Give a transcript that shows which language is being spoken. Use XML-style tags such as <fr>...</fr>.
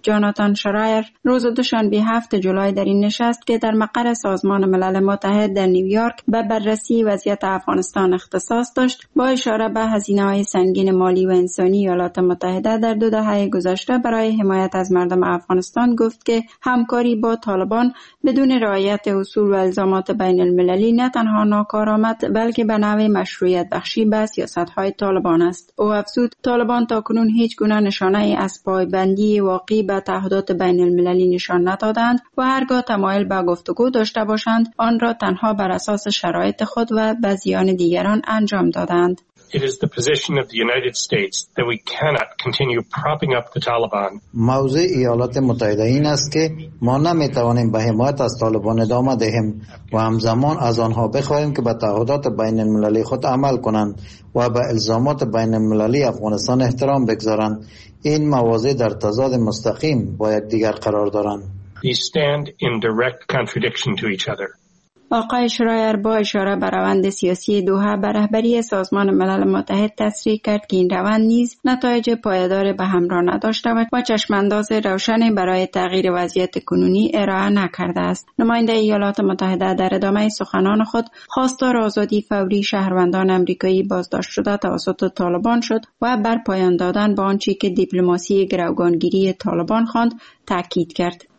<fa>جاناتان شرایر روز دوشنبه 7 جولای در این نشست که در مقر سازمان ملل متحد در نیویورک به بررسی وضعیت افغانستان اختصاص داشت، با اشاره به هزینه‌های سنگین مالی و انسانی ایالات متحده در 2 دهه گذشته برای حمایت از مردم افغانستان، گفت که همکاری با طالبان بدون رعایت اصول و الزامات بین المللی نه تنها ناکارآمد بلکه به نوع مشروعیت بخشی به سیاست‌های طالبان است. او افزود طالبان تاکنون هیچ گونه نشانه از پایبندی واقعی به تعهدات بین المللی نشان ندادند و هرگاه تمایل به گفتگو داشته باشند آن را تنها بر اساس شرایط خود و به زیان دیگران انجام دادند.</fa> <en>It is the position of the United States that we cannot continue propping up the Taliban.</en> <fa>موضع ایالات متحده این است که ما نمیتوانیم به حمایت از طالبان ادامه دهیم و همزمان از آنها بخواهیم که به تعهدات بین المللی خود عمل کنند و به الزامات بین المللی افغانستان احترام بگذارند. این موضع در تضاد مستقیم با یکدیگر قرار دارند.</fa> <en>They stand in direct contradiction to each other.</en> <fa>آقای شرایر با اشاره به روند سیاسی دوحه به رهبری سازمان ملل متحد تصریح کرد که این روند نیز نتایج پایدار به همراه نداشته و چشمانداز روشنی برای تغییر وضعیت کنونی ارائه نکرده است. نماینده ایالات متحده در ادامه سخنان خود خواستار آزادی فوری شهروندان آمریکایی بازداشت شده توسط طالبان شد و بر پایان دادن به آنچه که دیپلماسی گروگانگیری طالبان خواند تاکید کرد.</fa>